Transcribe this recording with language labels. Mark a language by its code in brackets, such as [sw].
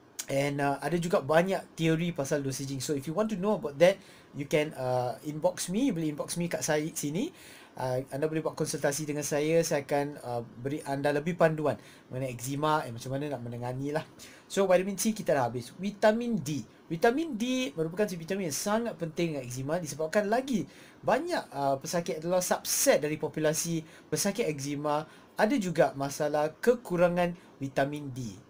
[ms] And ada juga banyak teori pasal dosaging. [en] So if you want to know about that, you can inbox me. [ms] You boleh inbox me kat saya sini. Anda boleh buat konsultasi dengan saya. Saya akan beri anda lebih panduan mengenai eczema and macam mana nak menangani lah. So vitamin C kita dah habis. Vitamin D. Vitamin D merupakan vitamin yang sangat penting dengan eczema, disebabkan lagi banyak pesakit adalah subset dari populasi pesakit eczema ada juga masalah kekurangan vitamin D.